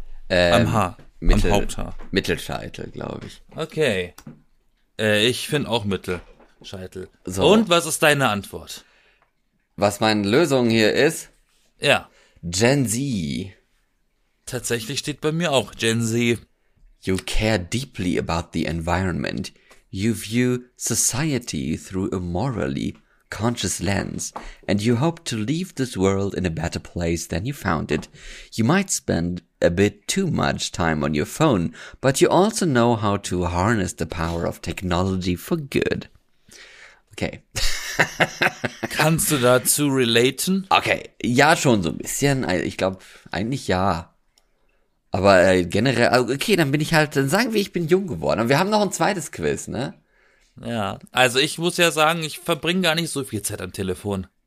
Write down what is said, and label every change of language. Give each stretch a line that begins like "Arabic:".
German: Am Haar. Mittelhaupthaar. Mittelscheitel, glaube ich. Okay. Ich finde auch Mittelscheitel. So. Und was ist deine Antwort? Was meine Lösung hier ist? Ja. Gen Z. Tatsächlich steht bei mir auch Gen Z.
English: You care deeply about the environment. You view society through a morally conscious lens, and you hope to leave this world in a better place than you found it. You might spend a bit too much time on your phone, but you also know how to harness the power of technology for good.
German: Okay. Kannst du dazu relaten? Okay, ja, schon so ein bisschen. Ich glaube, eigentlich ja. Aber generell, okay, dann bin ich halt, dann sagen wir, ich bin jung geworden. Und wir haben noch ein zweites Quiz, ne? Ja, also ich muss ja sagen, ich verbringe gar nicht so viel Zeit am Telefon.